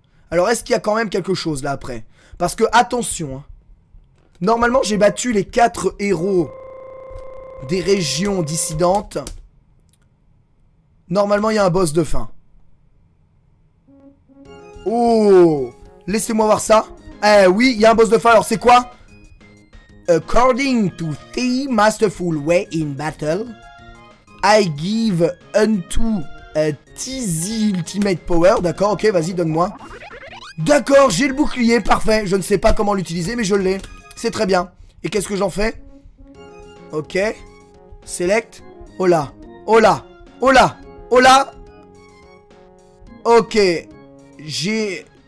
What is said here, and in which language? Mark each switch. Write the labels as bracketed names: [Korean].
[French] Alors, est-ce qu'il y a quand même quelque chose là après? Parce que, attention, hein, normalement, j'ai battu les 4 héros des régions dissidentes. Normalement, il y a un boss de fin. Oh, laissez-moi voir ça. Eh oui, il y a un boss de fin. Alors, c'est quoi? [English] According to the masterful way in battle, I give unto Tizi ultimate power. [French] D'accord, ok, vas-y, donne-moi. D'accord, j'ai le bouclier, parfait. Je ne sais pas comment l'utiliser, mais je l'ai. C'est très bien. Et qu'est-ce que j'en fais? Ok. Select. Hola. Hola. Hola. Hola. Ok. J'ai...